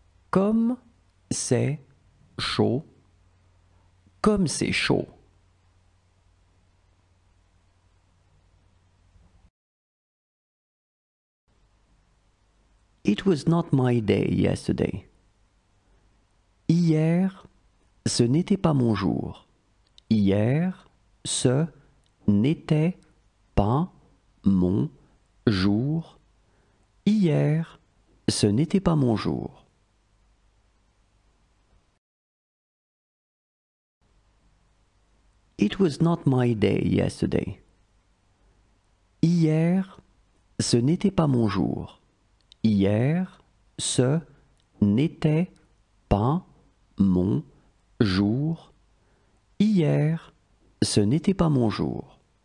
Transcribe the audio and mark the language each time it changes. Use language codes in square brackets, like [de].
[fr] Comme c'est chaud. Comme c'est chaud. [en] It was not my day yesterday. [fr] Hier, ce n'était pas mon jour. Hier, ce n'était pas mon jour. Hier, ce n'était pas mon jour. [en] It was not my day yesterday. [fr] Hier, ce n'était pas mon jour. Hier, ce n'était pas mon jour. Hier, ce n'était pas mon jour.